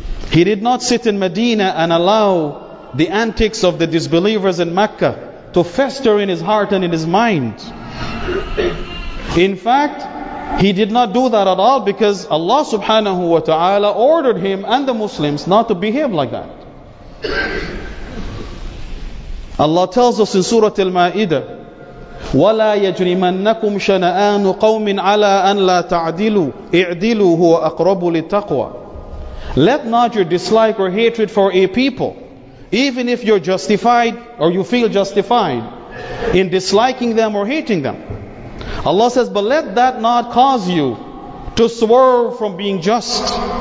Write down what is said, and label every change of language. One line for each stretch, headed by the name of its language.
English: He did not sit in Medina and allow the antics of the disbelievers in Mecca to fester in his heart and in his mind. In fact, he did not do that at all, because Allah subhanahu wa ta'ala ordered him and the Muslims not to behave like that. Allah tells us in Surah Al-Ma'idah,
Arabic: وَلَا يَجْرِمَنَّكُمْ شَنَآنُ قَوْمٍ عَلَىٰ أَنْ لَا تَعْدِلُوا اِعْدِلُوا هُوَ أَقْرَبُ لِلتَّقْوَىٰ.
English: Let not your dislike or hatred for a people, even if you're justified or you feel justified in disliking them or hating them. Allah says, but let that not cause you to swerve from being just.